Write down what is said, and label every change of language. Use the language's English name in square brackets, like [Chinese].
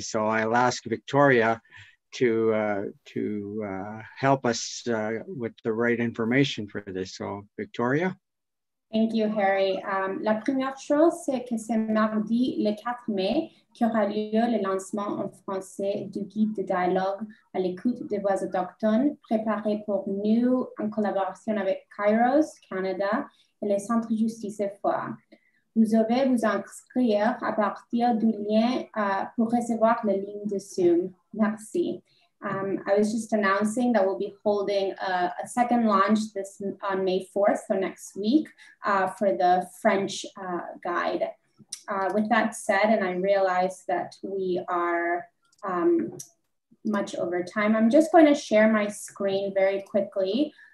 [English] So I'll ask Victoria to help us with the right information for this. So Victoria. Thank you, Harry. [French] La première chose, c'est que c'est mardi le 4 mai qu'aura lieu le lancement en français du guide de dialogue à l'écoute des voix autochtones préparé pour nous en collaboration avec Kairos Canada et le Centre Justice et Foi. Vous devez vous inscrire à partir du lien pour recevoir la ligne de Zoom. Merci. [English] I was just announcing that we'll be holding a second launch this on May 4th, so next week, for the French guide. With that said, and I realize that we are much over time, I'm just going to share my screen very quickly.